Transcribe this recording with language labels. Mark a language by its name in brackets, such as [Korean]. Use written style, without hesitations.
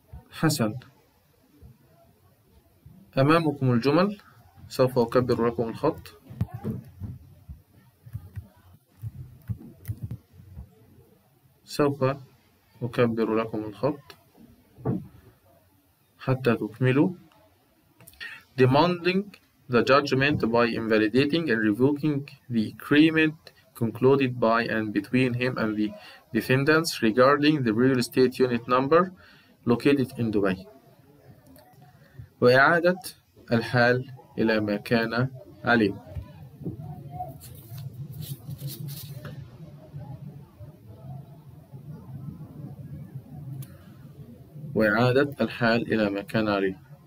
[Arabic] حسن، أمامكم الجمل، سوف أكبر لكم الخط. سوف أكبر لكم الخط حتى تكملوا. [English] Demanding the judgment by invalidating and revoking the agreement concluded by and between him and the defendants regarding the real estate unit number located in Dubai. [Arabic] وإعادة الحال إلى ما كان عليه. وإعادة الحال إلى ما كان عليه.